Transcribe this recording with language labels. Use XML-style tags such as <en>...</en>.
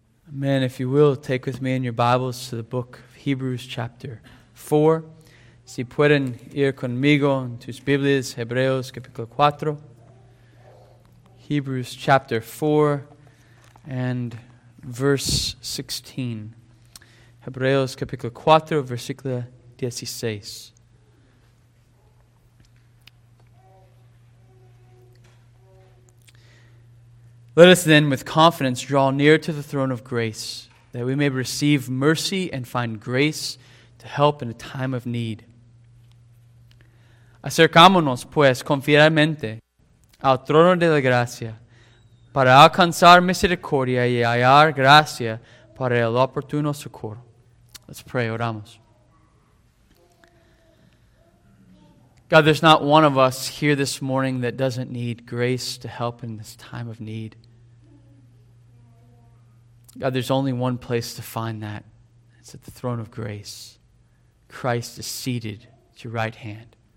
<en>Man, if you will, take with me in your Bibles to the book of Hebrews chapter 4.</en> <es>Si pueden ir conmigo en tus Biblias, Hebreos capítulo 4.</es> <en>Hebrews chapter 4 and verse 16.</en> <es>Hebreos capítulo 4, versículo 16.</es> <en>Let us then with confidence draw near to the throne of grace, that we may receive mercy and find grace to help in a time of need.</en> <es>Acercámonos, pues, confiadamente al trono de la gracia, para alcanzar misericordia y hallar gracia para el oportuno socorro.</es> <en>Let's pray,</en> <es>oramos.</es> <en>God, there's not one of us here this morning that doesn't need grace to help in this time of need. God, there's only one place to find that. It's at the throne of grace. Christ is seated at your right hand.</en>